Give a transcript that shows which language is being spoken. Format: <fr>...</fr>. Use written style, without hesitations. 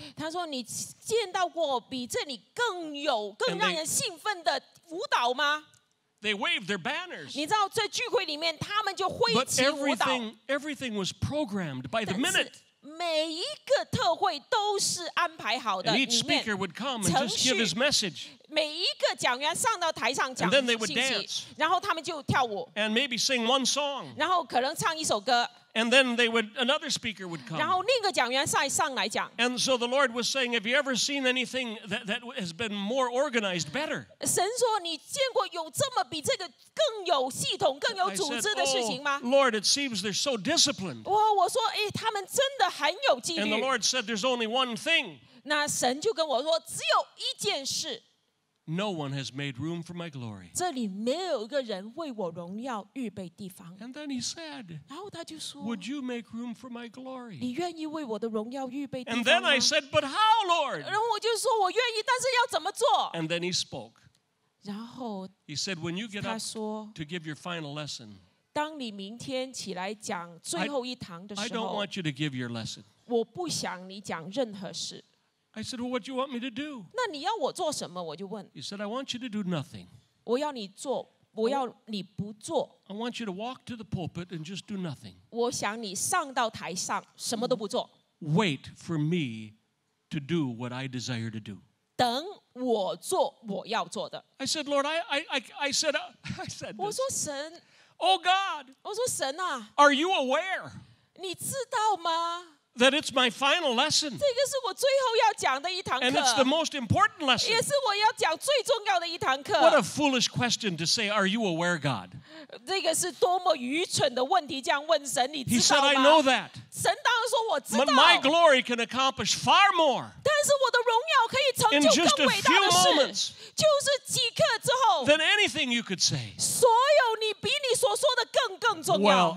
<zh>他说你见到过比这里更有更让人兴奋的舞蹈吗？</zh> <en>They waved their banners.</en> <zh>你知道在聚会里面他们就挥起舞蹈。</zh> <en>But everything was programmed by the minute.</en> <zh>但是每一个特会都是安排好的。</zh> <en>And each speaker would come and just give his message.</en> <zh>每一个讲员上到台上讲信息，然后他们就跳舞</zh> <en>，and maybe sing one song，</en> <zh>然后可能唱一首歌</zh> <en>，and then they would another speaker would come，</en> <zh>然后另一个讲员再上来讲</zh> <en>，and so the Lord was saying， Have you ever seen anything that has been more organized better？</en> <zh>神说你见过有这么比这个更有系统、更有组织的事情吗</zh> <en>？Lord， it seems they're so disciplined。</en> <zh>我说哎，他们真的很有纪律。</zh> <en>And the Lord said， There's only one thing。</en> <zh>那神就跟我说，只有一件事。</zh> <en>No one has made room for my glory.</en> <zh>这里没有一个人为我荣耀预备地方。</zh> <en>And then he said,</en> <zh>然后他就说</zh> <en>Would you make room for my glory?</en> <zh>你愿意为我的荣耀预备地方吗？</zh> <en>And then I said, But how, Lord?</en> <zh>然后我就说我愿意，但是要怎么做？</zh> <en>And then he spoke.</en> <zh>然后</zh> <en>he said, When you get up to give your final lesson,</en> <zh>当你明天起来讲最后一堂的时候</zh> <en>I don't want you to give your lesson.</en> <zh>我不想你讲任何事。</zh> <en>I said, well, what do you want me to do?</en> <zh>那你要我做什么？我就问。</zh> <en>He said, I want you to do nothing.</en> <zh>我要你做，我要你不做。</zh> <en>I want you to walk to the pulpit and just do nothing.</en> <zh>我想你上到台上，什么都不做。</zh> <en>Wait for me to do what I desire to do.</en> <zh>等我做我要做的。</zh> <en>I said, Lord, I said,</en> <zh>我说神。</zh> <en>Oh God.</en> <zh>我说神啊。</zh> <en>Are you aware?</en> <zh>你知道吗？</zh> <en>That it's my final lesson.</en> <zh>这个是我最后要讲的一堂课。</zh> <en>And it's the most important lesson.</en> <zh>也是我要讲最重要的一堂课。</zh> <en>What a foolish question to say, "Are you aware, God?"</en> <zh>这个是多么愚蠢的问题，这样问神，你知道吗？</zh> <en>He said, "I know that."</en> <zh>神当然说我知道。</zh> <en>But my glory can accomplish far more.</en> <zh>但是我的荣耀可以成就更伟大的事。</zh> <en>In just a few moments.</en> <zh>就是几刻之后。</zh> <en>Than anything you could say.</en> <zh>所有你比你所说的更重要。</zh>